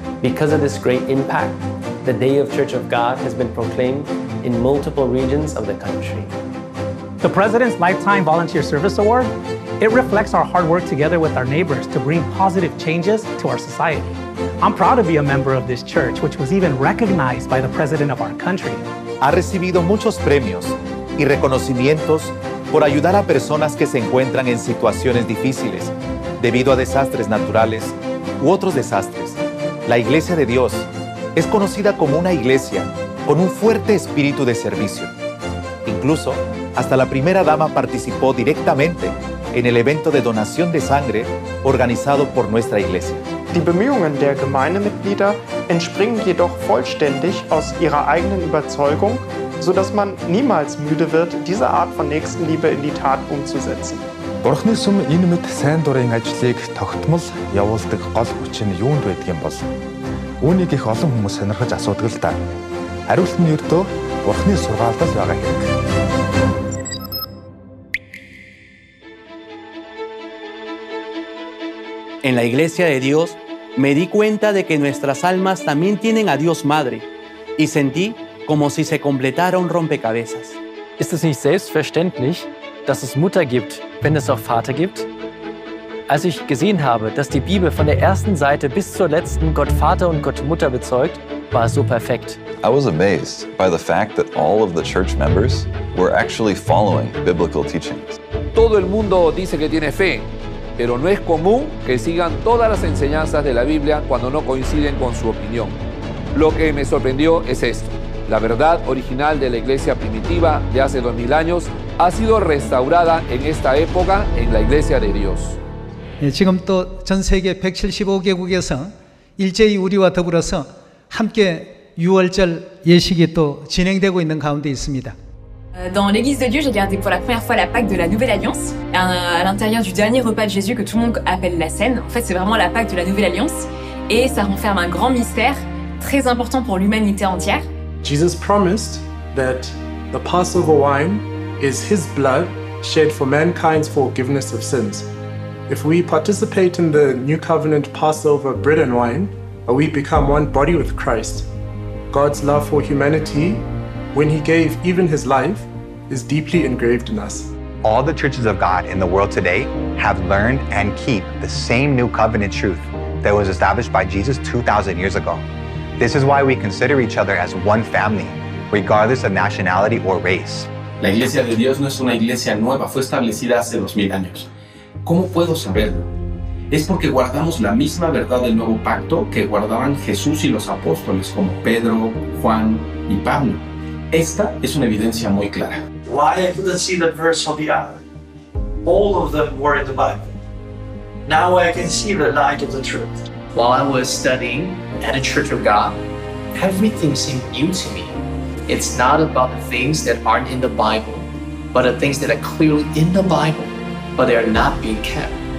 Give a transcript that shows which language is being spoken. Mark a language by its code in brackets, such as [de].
[en] Because of this great impact, the Day of Church of God has been proclaimed in multiple regions of the country. The President's Lifetime Volunteer Service Award, it reflects our hard work together with our neighbors to bring positive changes to our society. I'm proud to be a member of this church, which was even recognized by the president of our country. [es] Ha recibido muchos premios y reconocimientos por ayudar a personas que se encuentran en situaciones difíciles debido a desastres naturales u otros desastres. La Iglesia de Dios es conocida como una iglesia con un fuerte espíritu de servicio. Incluso, hasta la primera dama participó directamente en el evento de donación de sangre organizado por nuestra iglesia. [de] Die Bemühungen der Gemeindemitglieder entspringen jedoch vollständig aus ihrer eigenen Überzeugung, sodass man niemals müde wird, diese Art von Nächstenliebe in die Tat umzusetzen. [mn] Бурхны сүм энэ мэт сайн дурын ажлыг тогтмол явуулдаг гол хүчин юунд байдгийн бол үүнийг их олон хүмүүс сонирхож асуудаг л да. Хариулт нь өөрөө Бурхны сургаалтал байгаа хэрэг. [es] En la Iglesia de Dios, me di cuenta de que nuestras almas también tienen a Dios Madre y sentí como si se completara un rompecabezas. [de] ¿Ist es nicht selbstverständlich, dass es Mutter gibt, wenn es auch Vater gibt? Als ich gesehen habe, dass die Bibel von der ersten Seite bis zur letzten Gott Vater und Gott Mutter bezeugt, war es so perfekt. [en] I was amazed by the fact that all of the church members were actually following biblical teachings. [es] Todo el mundo dice que tiene fe. Pero no es común que sigan todas las enseñanzas de la Biblia cuando no coinciden con su opinión. Lo que me sorprendió es esto. La verdad original de la iglesia primitiva de hace 2000 años ha sido restaurada en esta época en la Iglesia de Dios. [ko] 예, 지금 또 전 세계 175개국에서 일제히 우리와 더불어서 함께 유월절 예식이 또 진행되고 있는 가운데 있습니다. [fr] Dans l'église de Dieu, j'ai gardé pour la première fois la Pâque de la Nouvelle Alliance, à l'intérieur du dernier repas de Jésus que tout le monde appelle la scène. En fait, c'est vraiment la Pâque de la Nouvelle Alliance et ça renferme un grand mystère très important pour l'humanité entière. [en] Jesus promised that the Passover wine is his blood shed for mankind's forgiveness of sins. If we participate in the New Covenant Passover bread and wine, we become one body with Christ. God's love for humanity, when he gave even his life, is deeply engraved in us. All the churches of God in the world today have learned and keep the same new covenant truth that was established by Jesus 2,000 years ago. This is why we consider each other as one family, regardless of nationality or race. [es] La Iglesia de Dios no es una iglesia nueva, fue establecida hace 2,000 años. ¿Cómo puedo saberlo? Es porque guardamos la misma verdad del nuevo pacto que guardaban Jesús y los apóstoles como Pedro, Juan y Pablo. Esta es una evidencia muy clara. [en] Why I couldn't see the verse of the hour? All of them were in the Bible. Now I can see the light of the truth. While I was studying at a Church of God, everything seemed new to me. It's not about the things that aren't in the Bible, but the things that are clearly in the Bible, but they are not being kept.